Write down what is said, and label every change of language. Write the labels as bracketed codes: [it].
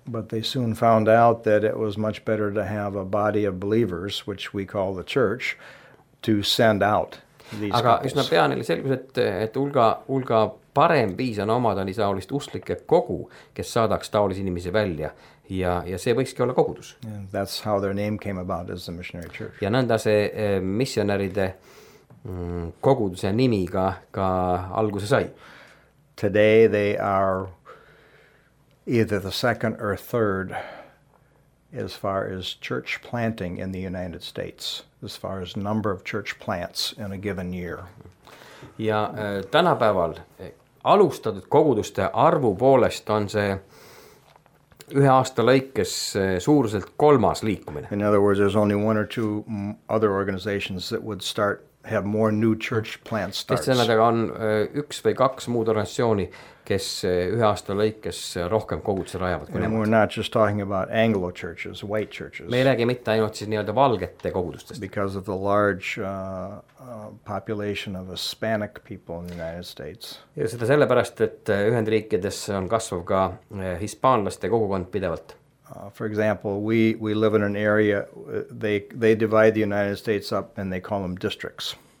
[en] But they soon found out that it was much better to have a body of believers, which we call the church, to send out. [et] Aga üsna pean oli selgus, et hulga parem viis on omada nii taolist usklike kogu, kes saadaks taolis inimesi välja ja see võikski olla kogudus. [en] And that's how their name came about as the missionary church. [et] Ja nõnda see missionäride koguduse nimi ka alguse sai. [en] Today they are either the second or third as far as church planting in the United States, as far as number of church plants in a given year. [et] Ja tänapäeval alustatud koguduste arvu poolest on see ühe aasta lõikes suuruselt kolmas liikumine. [en] In other words, there's only one or two other organizations that would start, have more new church plant starts. [et] Teiste sõnadega on üks või kaks muud organisatsiooni, kes ühe aasta lõikes rohkem koguduse rajavad. [en] And we're not just talking about Anglo churches, white churches. [et] Me ei räägi mitte ainult siis nii-öelda valgete kogudustest. [en] Because of the large population of Hispanic people in the United States. [et] Ja seda sellepärast, et Ühendriikides on kasvav ka hispaanlaste kogukond pidevalt. [en] For example, we live in an area, they divide the United States up and they call them districts.